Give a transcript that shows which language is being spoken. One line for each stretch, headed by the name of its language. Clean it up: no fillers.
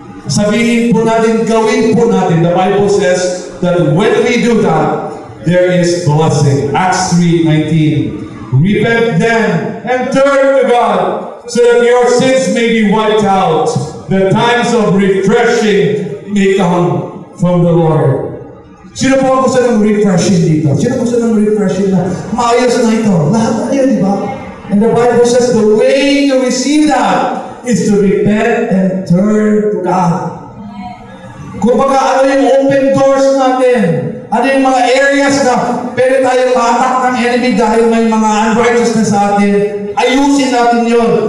Filipino: Sabihin po natin, gawin po natin.
English: The Bible says that when we do that, there is blessing. Acts 3:19. Repent then and turn to God so that your sins may be wiped out. The times of refreshing may come from the Lord.
Filipino: Sino po ang gusto ng refreshing dito? Sino po gusto ng refreshing na maayos na ito? Lahat na yun, di ba?
English: And the Bible says the way to receive that is to repent and turn to God.
Filipino: Kung baka ano yung open doors natin, ano yung mga areas na pwede tayong ma-attack ng enemy dahil may mga unrighteousness sa atin, ayusin natin yun.